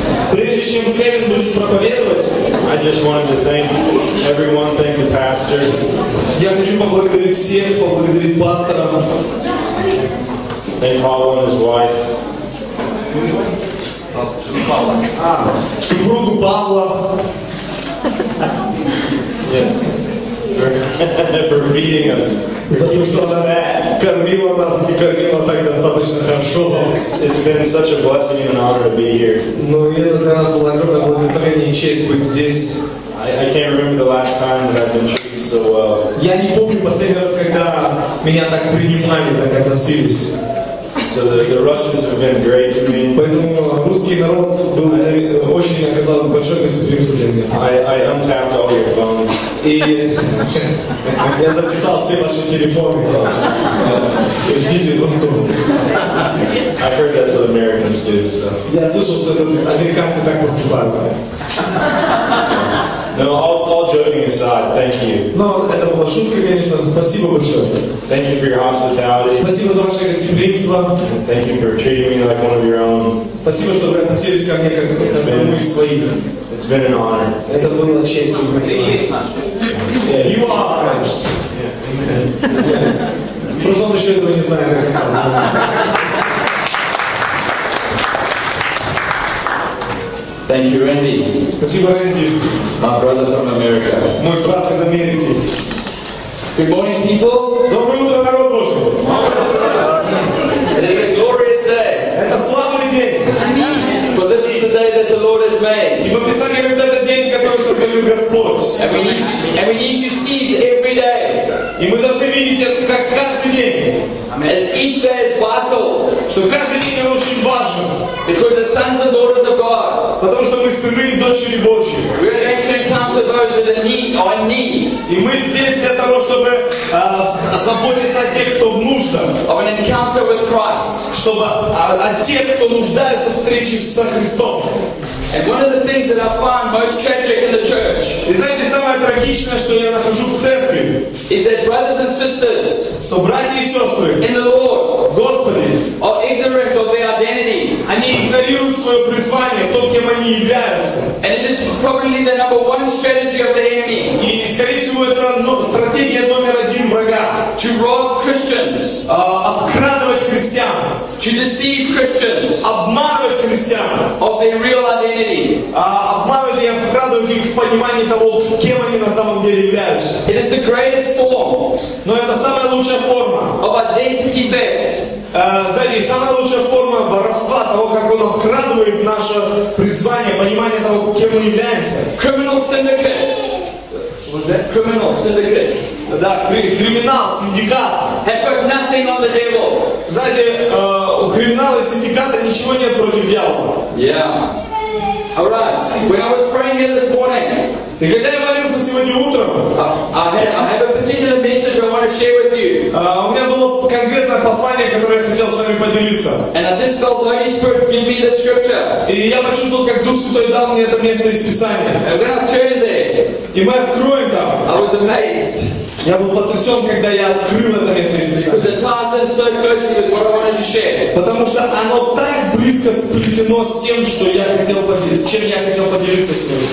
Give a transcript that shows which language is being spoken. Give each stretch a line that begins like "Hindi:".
Russian: прежде чем Кевин будет проповедовать,
English: I just wanted to thank everyone, thank the pastor.
Russian: Я хочу поблагодарить всех, поблагодарить пастора.
English: Thank Paul and his wife.
Russian: Супругу Павла.
English: Yes. For feeding us.
Russian: За то, что она кормила нас и кормила так достаточно хорошо.
English: It's been such a blessing and honor to be here.
Russian: Но это для нас было огромное благословение и честь быть здесь.
English: I can't remember the last time that I've been treated so well.
Russian: Я не помню последний раз, когда меня так принимали, так относились.
English: So the Russians have been great to me.
Russian: Поэтому русский народ был очень оказал большое гостеприимство для меня.
English: I untapped all your phones.
Russian: И я записал все ваши телефоны. Ждите звонков.
English: I heard that's what Americans do. So.
Russian: Я слышал, что американцы так поступают.
English: No, all joking aside, thank you.
Russian: Но это была шутка, конечно. Спасибо большое.
English: Thank you for your hospitality.
Russian: Спасибо за ваше гостеприимство.
English: And thank you for treating me like one of your own.
Russian: Спасибо, что вы относились ко мне как к одному из своих.
English: It's been an honor.
Russian: Это было честью. Ты есть наш.
English: You are ours. Yeah. Yeah.
Russian: Просто он еще этого не знает до конца.
English: Thank you, Randy.
Russian: Спасибо, Randy.
English: My brother from America.
Russian: Мой брат из Америки.
English: Good morning, people.
Russian: Доброе утро, народ Божий.
English: It is a glorious day.
Russian: Это славный день.
English: For this is the day that the Lord has made.
Russian: И по Писанию это день, который создает Господь.
English: And we need to see it every day.
Russian: И мы должны видеть это как каждый день.
English: As each day is vital.
Russian: Что каждый день очень важен.
English: Because the sons and daughters of God.
Russian: Потому что мы сыны и дочери Божьи.
English: We are going to encounter those that need.
Russian: И мы здесь для того, чтобы заботиться о тех, кто в нуждах.
English: Of an encounter with Christ.
Russian: Чтобы о тех, кто нуждается в встрече со Христом.
English: And one of the things that I find most tragic in the church.
Russian: И знаете, самое трагичное, что я нахожу в церкви.
English: Is that brothers and sisters.
Russian: Что братья и сестры.
English: In the Lord.
Russian: В Господе.
English: Are ignorant of their identity.
Russian: Они игнорируют свое призвание, то, кем они являются.
English: And it is probably the number one strategy of the enemy.
Russian: И скорее всего это стратегия номер один врага.
English: To rob Christians.
Russian: Обкрадывать христиан.
English: To deceive Christians.
Russian: Обманывать христиан.
English: Of their real identity.
Russian: Обманывать и обкрадывать их в понимании того, кем они на самом деле являются.
English: It is the greatest form.
Russian: Но это самая лучшая форма.
English: Of identity theft.
Russian: Знаете, самая лучшая форма воровства, того, как он обкрадывает наше призвание, понимание того, кем мы являемся.
English: Criminal syndicates. Was that? Criminal syndicates.
Russian: Да, криминал, синдикат.
English: Have got nothing on the devil.
Russian: Знаете, у криминала и синдиката ничего нет против дьявола.
English: Yeah. All right. When I was praying here this morning.
Russian: И когда я молился сегодня утром,
English: I have a particular message I want to share with you.
Russian: У меня было конкретное послание, которое я хотел с вами поделиться.
English: And I just felt the Holy Spirit give me the scripture.
Russian: И я почувствовал, как Дух Святой дал мне это место из Писания.
English: And when I turned there,
Russian: и мы откроем там.
English: I was amazed.
Russian: Я был потрясен, когда я открыл это место из Писания. Потому что оно так близко сплетено с тем, что я хотел поделиться, с чем я хотел поделиться с ним.